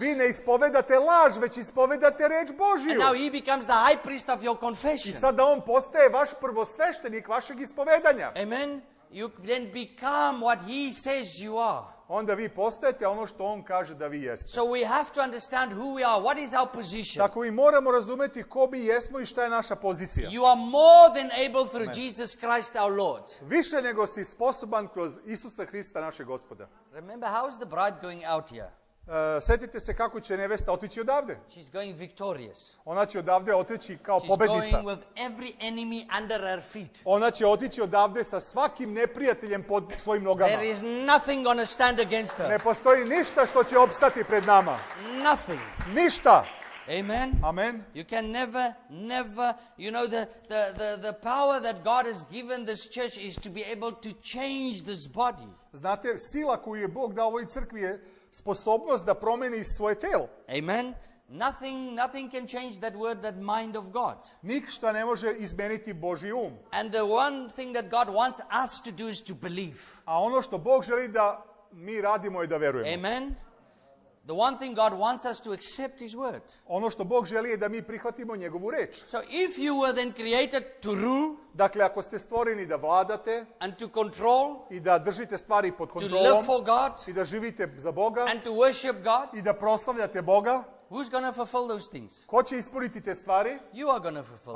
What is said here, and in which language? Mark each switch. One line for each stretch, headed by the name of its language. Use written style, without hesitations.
Serbian: Vi ne ispovedate laž, već ispovedate reč Božiju.
English: And now he becomes the high priest of your confession.
Serbian: I sada on postaje vaš prvosveštenik vašeg ispovedanja.
English: Amen. You then become what he says you are.
Serbian: Onda vi postajete ono što on kaže da vi jeste.
English: So we have to understand who we are, what is our position.
Serbian: Tako mi moramo razumeti ko mi jesmo i šta je naša pozicija.
English: You are more than able through Jesus Christ our Lord.
Serbian: Više nego si sposoban kroz Isusa Hrista našeg Gospoda.
English: Remember how is the bride going out here?
Serbian: Setite se kako će nevesta otići odavde.
English: She's going victorious.
Serbian: Ona će odavde otići kao
English: She's
Serbian: pobednica.
English: Going with every enemy under her feet.
Serbian: Ona će otići odavde sa svakim neprijateljem pod svojim nogama.
English: There is nothing gonna stand against her.
Serbian: Ne postoji ništa što će opstati pred nama.
English: Nothing.
Serbian: Ništa.
English: Amen.
Serbian: Amen.
English: You can never, you know, the power that God has given this church is to be able to change this body.
Serbian: Znate, sila koju je Bog dao ovoj crkvi je sposobnost da promeni svoje telo.
English: Amen. Nothing can change that word, that mind of God.
Serbian: Ništa ne može izmeniti Božji um.
English: And the one thing that God wants us to do is to believe.
Serbian: A ono što Bog želi da mi radimo je da verujemo.
English: Amen. The one thing God wants us to accept his word.
Serbian: Ono što Bog želi je da mi prihvatimo njegovu reč.
English: So if you were then created to rule,
Serbian: dakle ako ste stvoreni da vladate,
English: and to control,
Serbian: i da držite stvari pod kontrolom,
English: to live for God,
Serbian: i da živite za Boga,
English: and to worship God,
Serbian: i da proslavljate Boga,
English: who's gonna fulfill those things?
Serbian: Ko će ispuniti te stvari?
English: You are gonna fulfill.